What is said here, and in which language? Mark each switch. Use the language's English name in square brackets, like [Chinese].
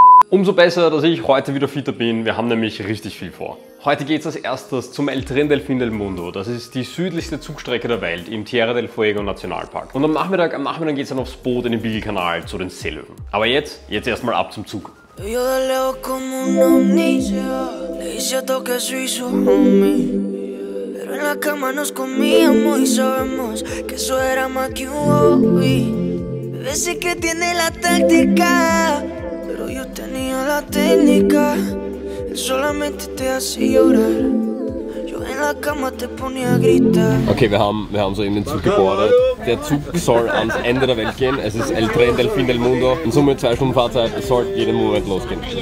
[German] Umso besser, dass ich heute wieder fitter bin. Wir haben nämlich richtig viel vor. Heute geht es als erstes zum El Tren del Fin del Mundo. Das ist die südlichste Zugstrecke der Welt im Tierra del Fuego Nationalpark. Und am Nachmittag geht es dann aufs Boot in den Beagle-Kanal zu den Seelöwen. Aber jetzt erstmal ab zum Zug. [Spanish] Yo de lejos como un omnisio, le hice todo que se hizo homie. Pero en la cama nos comíamos y sabemos que eso era más que un hobby. Bebé sí que tiene la táctica, pero yo tenía la técnica. Él solamente te hace llorar. [German] Okay, wir haben soeben den Zug gebordet. Der Zug soll ans Ende der Welt gehen. Es ist El Tren del Fin del Mundo. In Summe 2 Stunden Fahrzeit. Es soll jeden Moment losgehen.